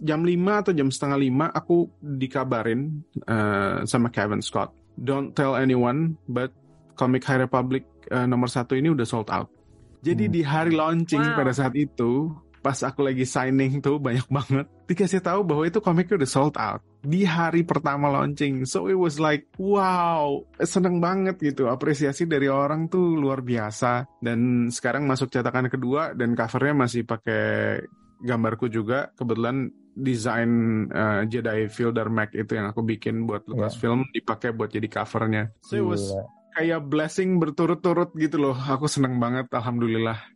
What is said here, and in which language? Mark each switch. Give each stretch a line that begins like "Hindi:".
Indonesian: Jam 5 atau jam setengah 5 aku dikabarin sama Kevin Scott,
English: "Don't tell anyone, but
Indonesian: Comic High Republic nomor 1 ini udah sold out." Jadi di hari launching pada saat itu, pas aku lagi signing tuh banyak banget dikasih tahu bahwa itu komiknya udah sold out di hari pertama launching.
English: So it was like wow,
Indonesian: seneng banget gitu. Apresiasi dari orang tuh luar biasa. Dan sekarang masuk cetakan kedua dan covernya masih pakai gambarku juga. Kebetulan desain Jedi Fielder Mac itu yang aku bikin buat Lucasfilm dipakai buat jadi covernya.
English: So it was
Indonesian: kayak blessing berturut-turut gitu loh. Aku seneng banget, alhamdulillah.